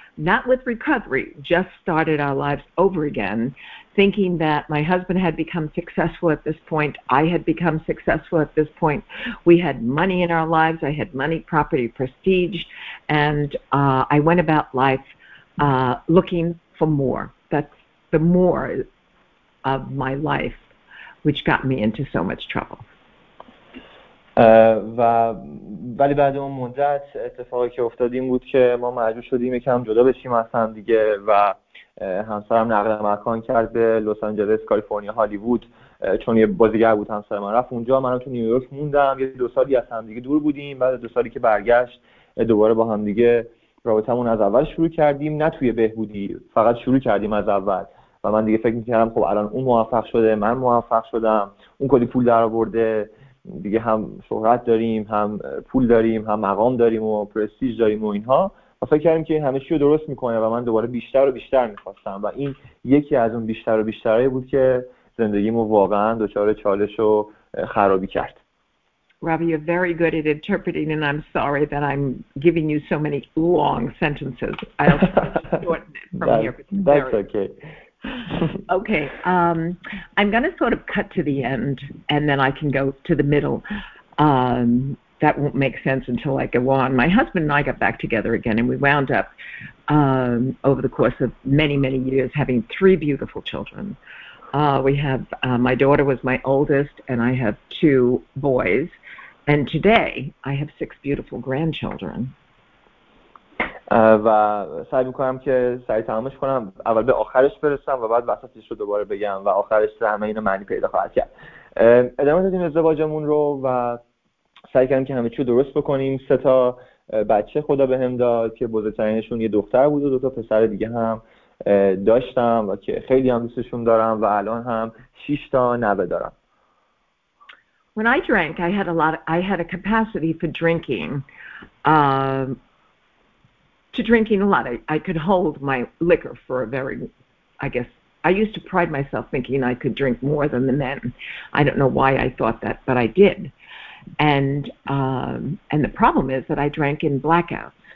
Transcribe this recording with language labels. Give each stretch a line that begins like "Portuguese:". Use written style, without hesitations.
English: Not with recovery, just started our lives over again, thinking that my husband had become successful at this point, I had become successful at this point, we had money in our lives, I had money, property, prestige, and I went about life looking for more. That's the more of my life, which got me into so much trouble.
Persian: و ولی بعد اون مدت اتفاقی که افتاد این بود که ما مجبور شدیم یکم جدا بشیم از هم دیگه و همسرم نقل مکان کرد به لس آنجلس، کالیفرنیا، هالیوود، چون یه بازیگر بود همسر من رفت اونجا، منم تو نیویورک موندم، یه 2 سالی از هم دیگه دور بودیم، بعد 2 سالی که برگشت دوباره با هم دیگه رابطمون از اول شروع کردیم، نه توی بهبودی، فقط شروع کردیم از اول و من دیگه فکر می‌کردم خب الان اون موفق شده، من موفق شدم، اون کلی پول درآورده، دیگه هم شهرت داریم، هم پول داریم، هم مقام داریم و پرستیج داریم و اینها، و فکر کردیم که همه چی رو درست میکنه و من دوباره بیشتر و بیشتر میخواستم و این یکی از اون بیشتر و بیشترهایی بود که زندگیمو واقعا دچار چالش و خرابی کرد.
English: Ravi, you're very good at interpreting and I'm sorry that I'm giving you so many long sentences. I'll shorten it from That's okay. Okay, I'm going to sort of cut to the end and then I can go to the middle. That won't make sense until I go on. My husband and I got back together again and we wound up over the course of many, many years having 3 beautiful children. We have my daughter was my oldest and I have 2 boys. And today I have 6 beautiful grandchildren.
Persian: و سعی میکنم که سعی تمامش کنم، اول به آخرش برسم و بعد وسطش رو دوباره بگم و آخرش همه اینو معنی پیدا خواهد کرد. ادامه دادیم ازدواجمون رو و سعی کردم که همه چی رو درست بکنیم. 3 تا بچه خدا به هم داد که بزرگترینشون یه دختر بود و 2 تا پسر دیگه هم داشتم و که خیلی هم دوستشون دارم و الان هم 6 تا نوه دارم.
English: When I drank, I had a capacity for drinking. To drinking a lot. I could hold my liquor for a very, I guess, I used to pride myself thinking I could drink more than the men. I don't know why I thought that, but I did. And the problem is that I drank in blackouts.